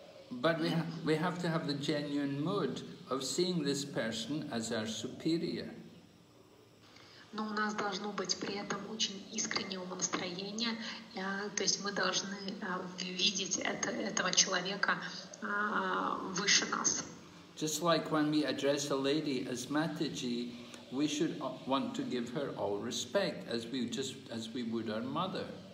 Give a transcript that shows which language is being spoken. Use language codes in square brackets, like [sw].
[en] But we have to have the genuine mood of seeing this person as our superior. [ru] Но у нас должно быть при этом очень искреннее умонастроение. То есть мы должны видеть этого человека выше нас. [en] Just like when we address a lady as Mataji, we should want to give her all respect as we would our mother.